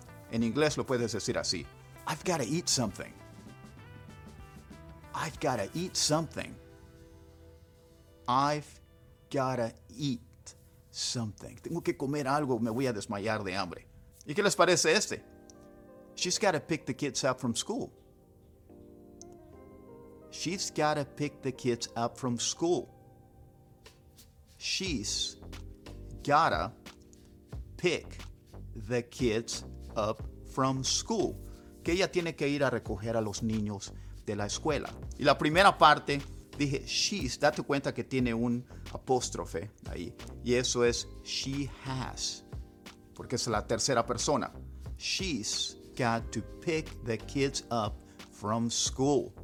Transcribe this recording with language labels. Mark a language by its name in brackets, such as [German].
[Spanish] En inglés lo puedes decir así. [English] I've got to eat something. I've got to eat something. I've got to eat something. [Spanish] Tengo que comer algo, me voy a desmayar de hambre. ¿Y qué les parece este? [English] She's got to pick the kids up from school. She's got to pick the kids up from school. She's got to pick the kids up from school. [Spanish] Que ella tiene que ir a recoger a los niños de la escuela. Y la primera parte, dije she's, date cuenta que tiene un apóstrofe ahí. Y eso es she has, porque es la tercera persona. [English] She's got to pick the kids up from school.